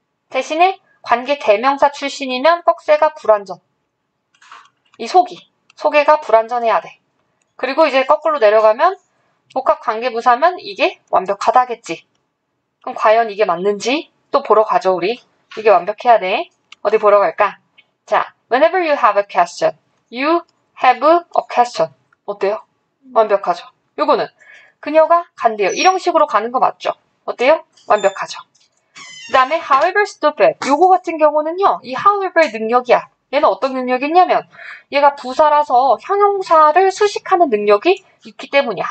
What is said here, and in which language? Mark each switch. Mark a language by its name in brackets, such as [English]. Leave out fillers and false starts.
[Korean] 대신에 관계 대명사 출신이면 꺽쇠가 불완전. 이 속이. 소개가 불완전해야 돼. 그리고 이제 거꾸로 내려가면 복합 관계 부사면 이게 완벽하다겠지. 그럼 과연 이게 맞는지 또 보러 가죠, 우리. 이게 완벽해야 돼. 어디 보러 갈까? [English] 자, whenever you have a question, you have a question. [Korean] 어때요? 완벽하죠. 요거는 그녀가 간대요. 이런 식으로 가는 거 맞죠? 어때요? 완벽하죠. 그 다음에 [English] however stupid. [Korean] 요거 같은 경우는요. 이 however의 능력이야. 얘는 어떤 능력이 있냐면 얘가 부사라서 형용사를 수식하는 능력이 있기 때문이야.